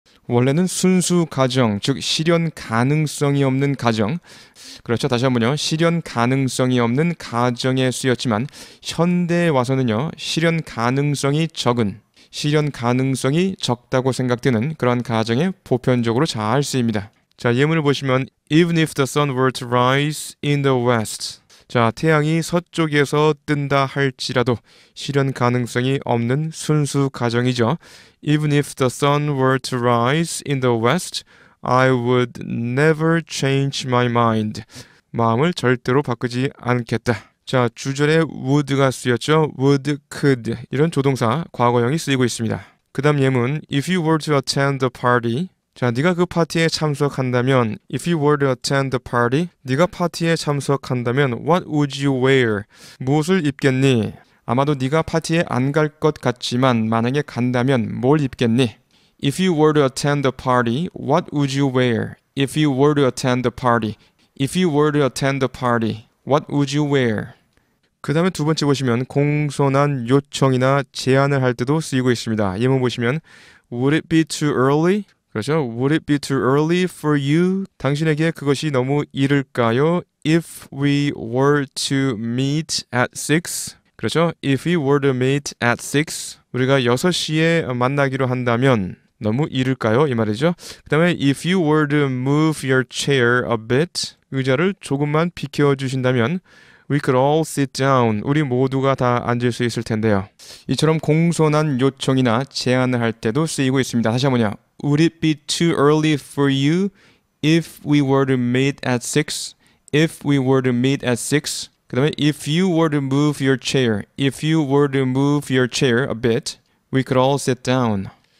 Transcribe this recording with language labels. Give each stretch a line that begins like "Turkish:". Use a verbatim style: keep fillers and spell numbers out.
Korean: 원래는 순수 가정, 즉 실현 가능성이 없는 가정. 그렇죠. 다시 한번요. 실현 가능성이 없는 가정에 쓰였지만 현대에 와서는요. 실현 가능성이 적은, 실현 가능성이 적다고 생각되는 그런 가정에 보편적으로 잘 쓰입니다. 자, 예문을 보시면
English: Even if the sun were to rise in the west.
Korean: 자, 태양이 서쪽에서 뜬다 할지라도 실현 가능성이 없는 순수 가정이죠.
English: Even if the sun were to rise in the west, I would never change my mind.
Korean: 마음을 절대로 바꾸지 않겠다. 자, 주절에 would가 쓰였죠. would, could 이런 조동사, 과거형이 쓰이고 있습니다. 그 다음 예문
English: If you were to attend the party.
Korean: 자, 네가 그 파티에 참석한다면
English: If you were to attend the party,
Korean: 네가 파티에 참석한다면
English: What would you wear?
Korean: 무엇을 입겠니? 아마도 네가 파티에 안 갈 것 같지만 만약에 간다면 뭘 입겠니?
English: If you were to attend the party, what would you wear? If you were to attend the party, if you were to attend the party, what would you wear?
Korean: 그 다음에 두 번째 보시면 공손한 요청이나 제안을 할 때도 쓰이고 있습니다. 예문 보시면
English: Would it be too early?
Korean: 그렇죠.
English: Would it be too early for you?
Korean: 당신에게 그것이 너무 이를까요?
English: If we were to meet at six.
Korean: 그렇죠.
English: If we were to meet at six.
Korean: 우리가 여섯 시에 만나기로 한다면 너무 이를까요? 이 말이죠. 그 다음에
English: If you were to move your chair a bit.
Korean: 의자를 조금만 비켜주신다면
English: We could all sit down.
Korean: 우리 모두가 다 앉을 수 있을 텐데요. 이처럼 공손한 요청이나 제안을 할 때도 쓰이고 있습니다. 다시 한번요.
English: Would it be too early for you if we were to meet at six? If we were to meet at six.
Korean: 그 다음에
English: If you were to move your chair. If you were to move your chair a bit. We could all sit down.